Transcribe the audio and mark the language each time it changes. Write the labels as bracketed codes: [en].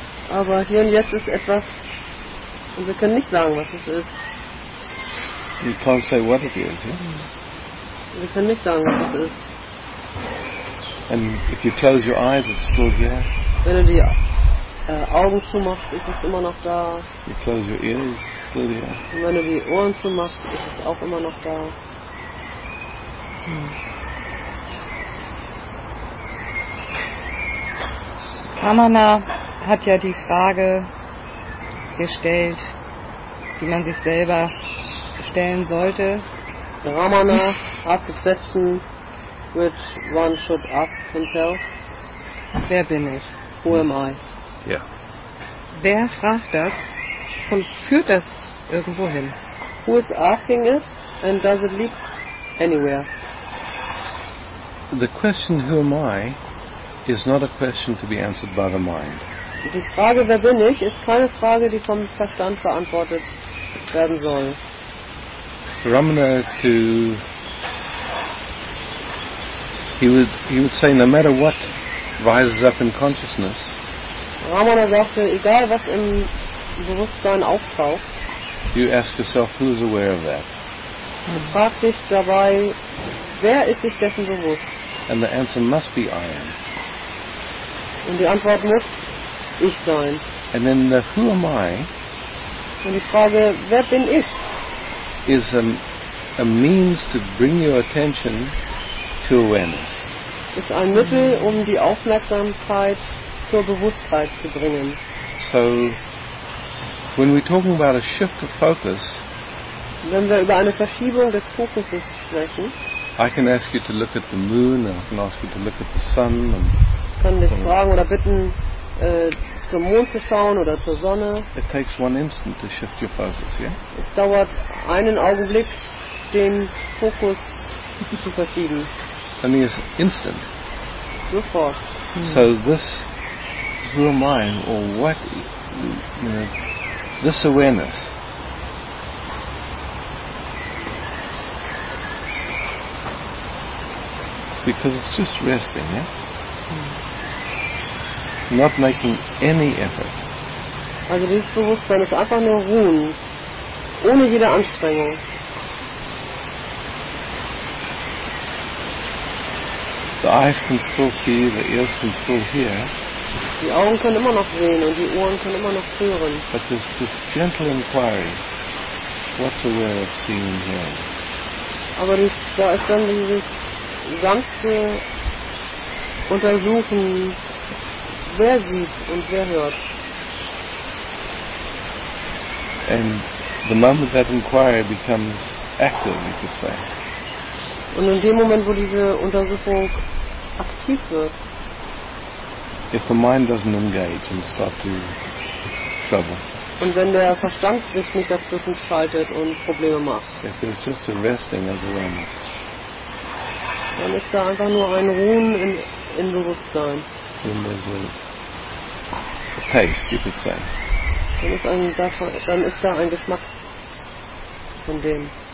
[de] Aber hier und jetzt ist etwas, und wir können nicht sagen, was es ist. [en] We can't say what it is, yes? [de] Wir können nicht sagen, was es ist. [en] And if you close your eyes, it's still here. [de] Wenn du die Augen zumachst, ist es immer noch da. [en] You close your ears, it's still here. [de] Und wenn du die Ohren zumachst, ist es auch immer noch da. Amana hat ja die Frage gestellt, die man sich selber stellen sollte. [en] Ramana asked the question which one should ask himself. [de] Wer bin ich? [en] Who am I? [de] Ja. Wer fragt das und führt das irgendwo hin? [en] Who is asking it and does it lead anywhere? The question who am I is not a question to be answered by the mind. [de] Die Frage, wer bin ich, ist keine Frage, die vom Verstand beantwortet werden soll. [en] Ramana, he would say, no matter what rises up in consciousness. [de] Ramana sagte, egal was im Bewusstsein auftaucht. [en] You ask yourself, who is aware of that? [de] Du fragst dich dabei, wer ist sich dessen bewusst? [en] And the answer must be I am. [de] Und die Antwort muss ich sein. [en] And then the who am I? [de] Und die Frage, wer bin ich? [en] Is a means to bring your attention to awareness. [de] Ist ein Mittel, um die Aufmerksamkeit zur Bewusstheit zu bringen. [en] So, when we're talking about a shift of focus, [de] wenn wir über eine Verschiebung des Fokuses sprechen, [en] I can ask you to look at the moon, and I can ask you to look at the sun, and [de] ich kann dich fragen oder bitten, zum Mond zu schauen oder zur Sonne. [en] It takes one instant to shift your focus, yeah? [de] Es dauert einen Augenblick, den Fokus zu verschieben. [en] I mean, it's instant. [de] Sofort. [en] So this, who am I, or what, you know, this awareness. Because it's just resting, yeah? Not making any effort. [de] Also dieses Bewusstsein ist einfach nur ruhen, ohne jede Anstrengung. [en] The eyes can still see, the ears can still hear. [de] Die Augen können immer noch sehen und die Ohren können immer noch hören. [en] But there's this gentle inquiry, what's aware of seeing and hearing? [de] Aber da ist dann dieses sanfte Untersuchen, wer sieht und wer hört. [en] And the moment that inquiry becomes active, you could say. [de] Und in dem Moment, wo diese Untersuchung aktiv wird, [en] if the mind doesn't engage and start to trouble. [de] Und wenn der Verstand sich nicht dazwischen schaltet und Probleme macht. [en] If it is just a resting as awareness. [de] Dann ist da einfach nur ein Ruhen in Bewusstsein. [en] Then there's a taste, you could say. [de] Dann ist da ein Geschmack von dem.